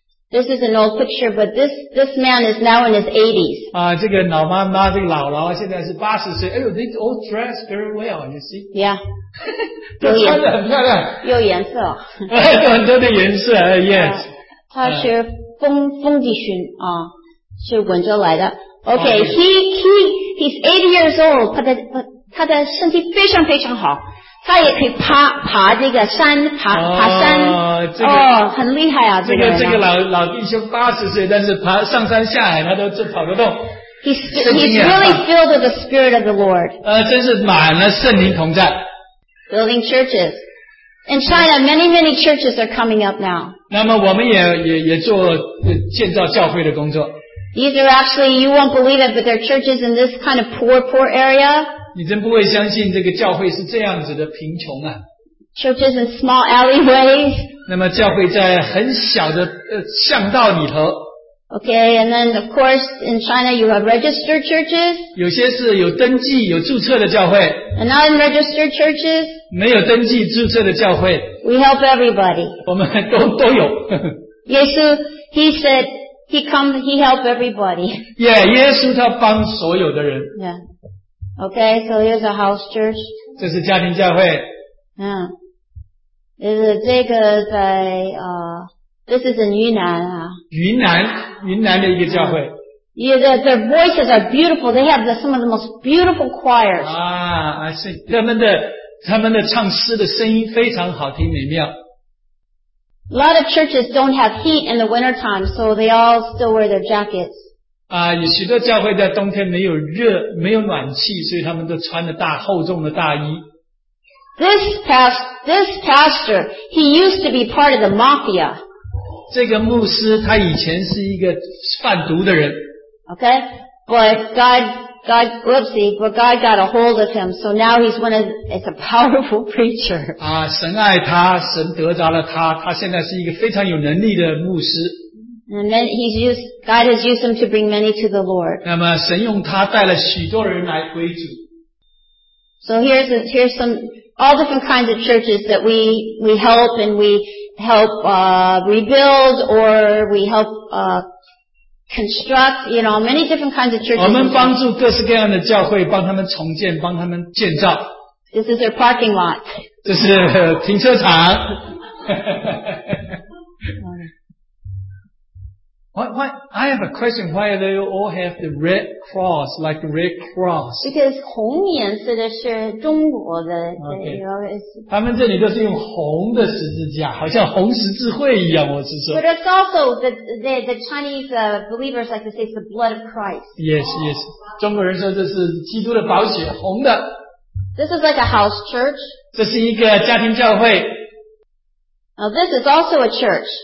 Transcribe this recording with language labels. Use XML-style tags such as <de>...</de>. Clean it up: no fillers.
<en>This is an old picture, but this man is now in his 80s.</en> <zh>这个老妈妈，这个姥姥现在是80岁。</zh> <en>哎呦 ，they all dress very well, you see? Yeah.</en> <zh>都穿得很漂亮，有颜色。有很多的颜色 ，yes. 他是风地群啊，是温州来的。</zh> <en>Okay, he's 80 years old,</en> <zh>他的身体非常非常好。他也可以爬这个山，爬山，这个、很厉害啊！这个老弟兄80岁，但是爬上山下海，他都这跑得动。</zh> <en>He's really filled with the Spirit of the Lord.</en> <zh>真是满了圣灵同在。</zh> <en>Building churches in China, many churches are coming up now.</en> <zh>那么我们也做建造教会的工作。</zh> <en>These are actually, you won't believe it, but there are churches in this kind of poor area.</en> <zh>你真不会相信这个教会是这样子的贫穷啊。</zh> <en>Churches in small alleyways.</en> <zh>那么教会在很小的巷道里头。</zh> <en>Okay, and then of course in China you have registered churches.</en> <zh>有些是有登记有注册的教会。</zh> <en>And unregistered churches.</en> <zh>没有登记注册的教会。</zh> <en>We help everybody.</en> <zh>我们都有。</zh> <en>耶稣 he said, he helped everybody.</en> <zh>Yeah, 耶稣他帮所有的人。</zh> <en>Yeah. Okay, so here's a house church.</en> <zh>这是家庭教会。嗯。这个在</zh> <en>This is in Yunnan.</en> <zh>云南的一个教会。</zh> <en>Yeah, their voices are beautiful. They have some of the most beautiful choirs. I see.</en> <zh>他们的唱诗的声音非常好听美妙。</zh> <en>A lot of churches don't have heat in the winter time, so they all still wear their jackets.</en> <zh>有许多教会在冬天没有热，没有暖气，所以他们都穿着大厚重的大衣。</zh> <en>This pastor, he used to be part of the mafia.</en> <zh>这个牧师他以前是一个贩毒的人。</zh> <en>Okay, but God got a hold of him, so now he's it's a powerful preacher.</en> <zh>神爱他，神得着了他，他现在是一个非常有能力的牧师。</zh> <en>And then God has used him to bring many to the Lord.</en> <zh>那么神用他带了许多人来归主。</zh> <en>So here's some all different kinds of churches that we help and we help rebuild or we help construct, you know, many different kinds of churches.</en> <zh>我们帮助各式各样的教会，帮他们重建，帮他们建造。</zh> <en>This is their parking lot.</en> <zh>这是停车场。</zh> <en>What? I have a question. Why do they all have the red cross, like the red cross? Because</en> <zh>红颜色的是中国的。</zh> <en>Okay.</en> <zh>他们这里都是用红的十字架，好像红十字会一样，我是说。</zh> <en>But it's also the Chinese believers like to say it's the blood of Christ. Yes, yes.</en> <zh>中国人说这是基督的宝血，红的。</zh> <en>This is like a house church.</en> <zh>这是一个家庭教会。</zh> <en>Now this is also a church.</en>